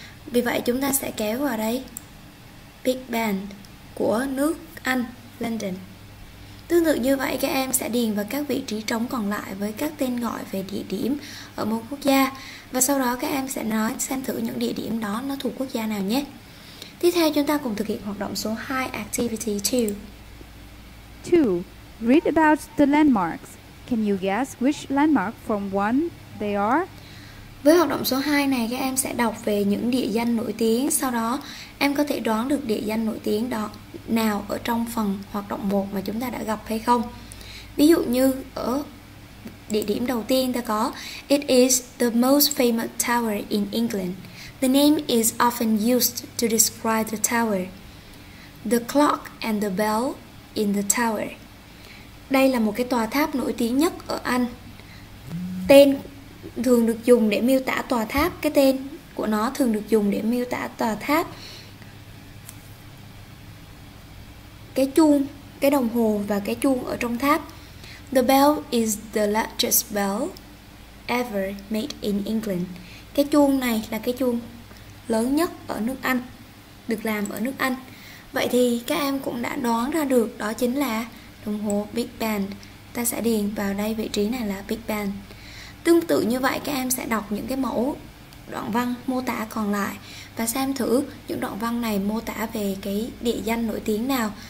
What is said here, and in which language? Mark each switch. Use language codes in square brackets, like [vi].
[vi] Vì vậy chúng ta sẽ kéo vào đây, Big Ben của nước Anh, London. Tương tự như vậy các em sẽ điền vào các vị trí trống còn lại với các tên gọi về địa điểm ở một quốc gia. Và sau đó các em sẽ nói xem thử những địa điểm đó nó thuộc quốc gia nào nhé. Tiếp theo chúng ta cùng thực hiện hoạt động số 2, Activity 2. [en] 2. Read about the landmarks. Can you guess which landmark from one they are? [vi] Với hoạt động số 2 này, các em sẽ đọc về những địa danh nổi tiếng, sau đó em có thể đoán được địa danh nổi tiếng đó nào ở trong phần hoạt động 1 mà chúng ta đã gặp hay không. Ví dụ như ở địa điểm đầu tiên ta có [en] It is the most famous tower in England. The name is often used to describe the tower. The clock and the bell in the tower. [vi] Đây là một cái tòa tháp nổi tiếng nhất ở Anh. Tên thường được dùng để miêu tả tòa tháp, cái tên của nó thường được dùng để miêu tả tòa tháp, cái chuông, cái đồng hồ và cái chuông ở trong tháp. [en] The bell is the largest bell ever made in England. [vi] Cái chuông này là cái chuông lớn nhất ở nước Anh, được làm ở nước Anh. Vậy thì các em cũng đã đoán ra được đó chính là đồng hồ Big Ben. Ta sẽ điền vào đây vị trí này là Big Ben. Tương tự như vậy các em sẽ đọc những cái mẫu đoạn văn mô tả còn lại và xem thử những đoạn văn này mô tả về cái địa danh nổi tiếng nào.